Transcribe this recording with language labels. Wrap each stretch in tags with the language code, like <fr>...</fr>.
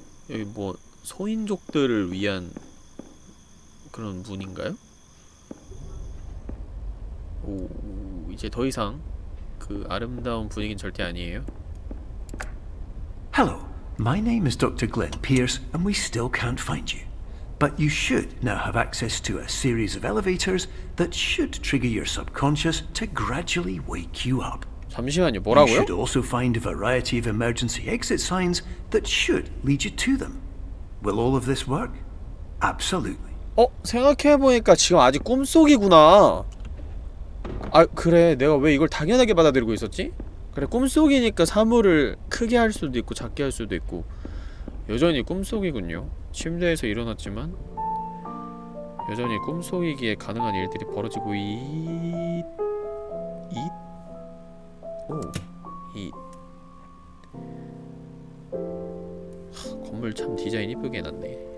<ko>여기 뭐 소인족들을 위한 그런 문인가요? 오, 이제 더 이상 그 아름다운 분위기는 절대 아니에요.</ko> <en>Hello. My name is Dr. Glenn Pierce and we still can't find you. But you should now have access to a series of elevators that should trigger your subconscious to gradually wake you up.</en> <ko>잠시만요. 뭐라고요?</ko> <en>You should also find a variety of emergency exit signs that should lead you to them. Will all of this work? Absolutely.</en> <ko>어? 생각해보니까 지금 아직 꿈속이구나. 아, 그래. 내가 왜 이걸 당연하게 받아들이고 있었지? 그래, 꿈속이니까 사물을 크게 할 수도 있고 작게 할 수도 있고. 여전히 꿈속이군요. 침대에서 일어났지만 여전히 꿈속이기에 가능한 일들이 벌어지고 오이 건물 참 디자인 이쁘게 해놨네.</ko>